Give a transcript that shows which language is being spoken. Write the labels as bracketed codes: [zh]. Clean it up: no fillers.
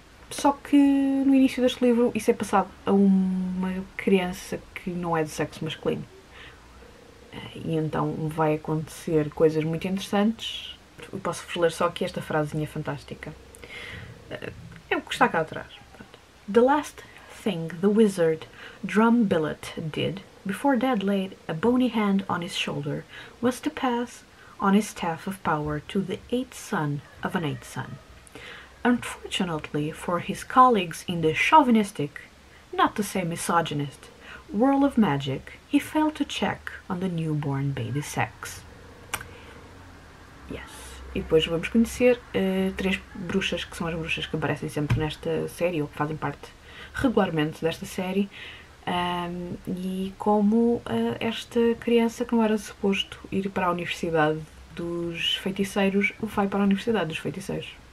[pt] Só que no início deste livro isso é passado a uma criança que não é de sexo masculino. E então vai acontecer coisas muito interessantes. Eu posso ler só aqui esta frasinha fantástica. É o que está cá atrás. [en] The last thing the wizard Drumbillet did before Dad laid a bony hand on his shoulder was to pass on his staff of power to the eighth son of an eighth son. Unfortunately for his colleagues in the chauvinistic, not to say misogynist, world of magic, he failed to check on the newborn baby sex. Yes. [pt] E depois vamos conhecer três bruxas, que são as bruxas que aparecem sempre nesta série, ou que fazem parte regularmente desta série, e como esta criança que não era suposto ir para a Universidade dos Feiticeiros vai para a Universidade dos Feiticeiros.